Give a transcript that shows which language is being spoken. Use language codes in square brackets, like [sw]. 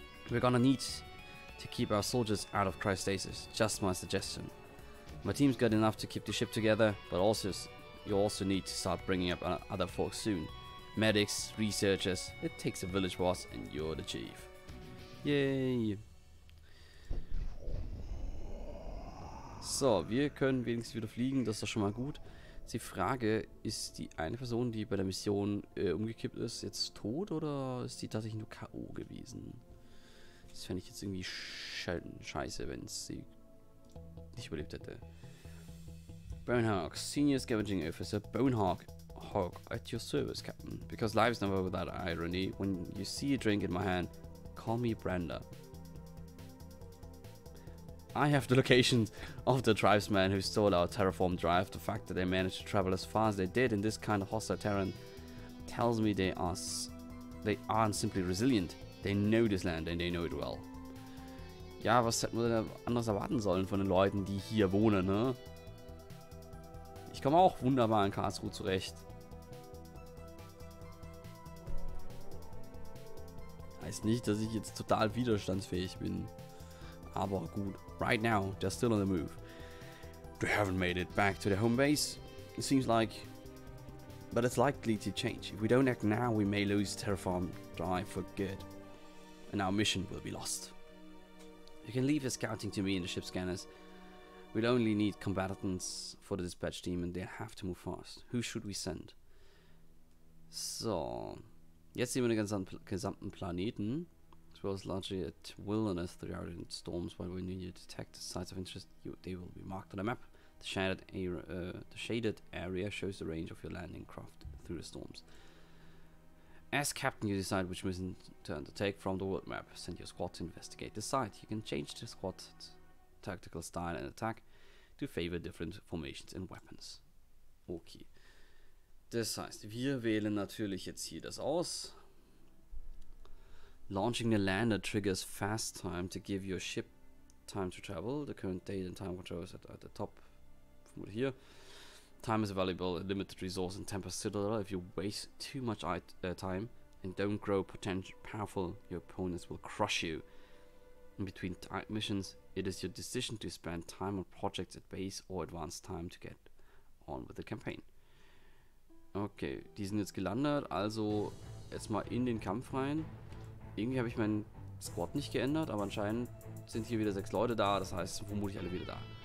[en] We're gonna need to keep our soldiers out of cryostasis. Just my suggestion. My team's got enough to keep the ship together, but also you also need to start bringing up other folks soon. Medics, researchers, it takes a village boss, and you're the chief. Yay! [de] So, wir können wenigstens wieder fliegen, das ist doch schon mal gut. Die Frage, ist die eine Person, die bei der Mission umgekippt ist, jetzt tot oder ist die tatsächlich nur K.O. gewesen? Das fände ich jetzt irgendwie scheiße, wenn sie nicht überlebt hätte. [en] Bonehawk, Senior Scavenging Officer, Bonehawk. Hog at your service, Captain. Because life's never without irony. When you see a drink in my hand, call me Brenda. I have the locations of the tribesmen who stole our terraform drive. The fact that they managed to travel as far as they did in this kind of hostile terrain tells me they aren't simply resilient. They know this land and they know it well. [de] Ja, was hätten wir denn anders erwarten sollen von den Leuten, die hier wohnen, ne? Ich komme auch wunderbar in Karlsruhe zurecht. Heißt nicht, dass ich jetzt total widerstandsfähig bin. Aber gut. [en] Right now, they're still on the move. They haven't made it back to their home base. It seems like... But it's likely to change. If we don't act now, we may lose Terraform Drive for good. And our mission will be lost. You can leave the scouting to me and the ship scanners. We'll only need combatants for the dispatch team and they'll have to move fast. Who should we send? [de] So, jetzt sehen wir den gesamten Planeten. [en] As well as largely at wilderness throughout in storms, while we need to detect the sites of interest, they will be marked on the map. The shaded area shows the range of your landing craft through the storms. As captain, you decide which mission to undertake from the world map. Send your squad to investigate the site. You can change the squad's tactical style and attack to favor different formations and weapons. Okay. [de] Das heißt, wir wählen natürlich jetzt hier das aus. [en] Launching the lander triggers fast time to give your ship time to travel. The current date and time control is at the top. [de] Vermutlich hier. [en] Time is a valuable, a limited resource and temper citadel. If you waste too much time and don't grow powerful, your opponents will crush you. In between tight missions, it is your decision to spend time on projects at base or advance time to get on with the campaign. [de] Okay, die sind jetzt gelandet, also jetzt mal in den Kampf rein. Irgendwie habe ich meinen Squad nicht geändert, aber anscheinend sind hier wieder 6 Leute da, das heißt vermutlich alle wieder da.